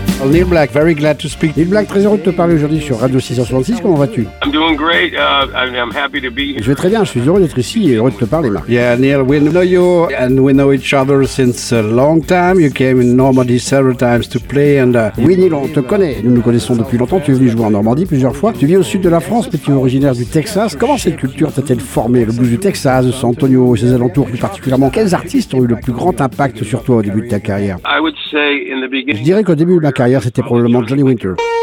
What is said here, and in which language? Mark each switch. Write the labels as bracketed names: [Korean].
[English] Neil Black, very glad to speak. [French] Neil Black, très heureux de te parler aujourd'hui sur Radio 666. Comment vas-tu? [English] I'm doing great. I'm happy to be here. [French] Je vais très bien. Je suis heureux d'être ici et heureux de te parler, Mark. [English] Yeah, Neil, we know you and we know each other since a long time. You came in Normandy several times to play. [French] And oui, Neil, on te connaît. Nous nous connaissons depuis longtemps. Tu es venu jouer en Normandie plusieurs fois. Tu vis au sud de la France, mais tu es originaire du Texas. Comment cette culture t'a-t-elle formé? Le blues du Texas, de San Antonio et ses alentours plus particulièrement. Quels artistes ont eu le plus grand impact sur toi au début de ta carrière? Je dirais qu'au début de ma carrière, c'était probablement Johnny Winter.